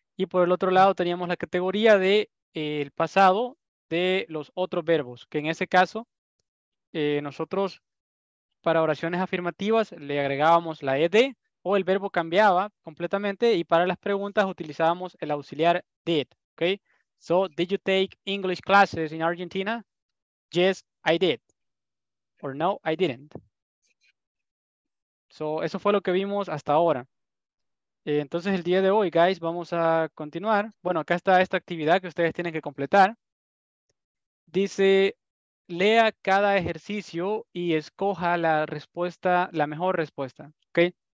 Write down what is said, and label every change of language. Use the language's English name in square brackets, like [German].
[Spanish] Y por el otro lado teníamos la categoría de el pasado de los otros verbos, que en ese caso nosotros para oraciones afirmativas le agregábamos la ed, o el verbo cambiaba completamente y para las preguntas utilizábamos el auxiliar did, okay? [English] So, did you take English classes in Argentina? Yes, I did. Or no, I didn't. [Spanish] So, eso fue lo que vimos hasta ahora. Entonces, el día de hoy, guys, vamos a continuar. Bueno, acá está esta actividad que ustedes tienen que completar. Dice, lea cada ejercicio y escoja la respuesta, la mejor respuesta, okay?